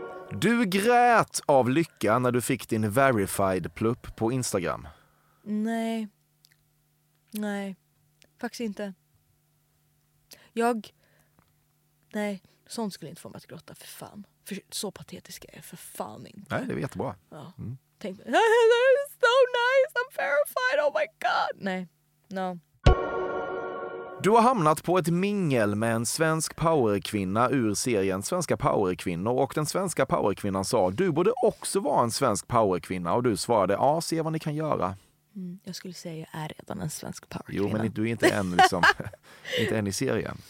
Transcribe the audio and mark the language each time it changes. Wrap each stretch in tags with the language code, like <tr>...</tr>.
<sv>Du grät av lycka när du fick din verified plupp på Instagram. Nej. Faktiskt inte. Nej, sånt skulle inte få mig att gråta, för fan. För så patetisk är jag, för fan inte. Nej, det är jättebra. Ja. Mm. Tänk,</sv> <en>that is so nice, I'm verified, oh my god.</en> <sv>Nej, no. Du har hamnat på ett mingel med en svensk powerkvinna ur serien Svenska powerkvinnor, och den svenska powerkvinnan sa, du borde också vara en svensk powerkvinna, och du svarade, ja, se vad ni kan göra. Mm, jag skulle säga jag är redan en svensk powerkvinna. Jo, men du är inte än, liksom, inte än i serien.</sv>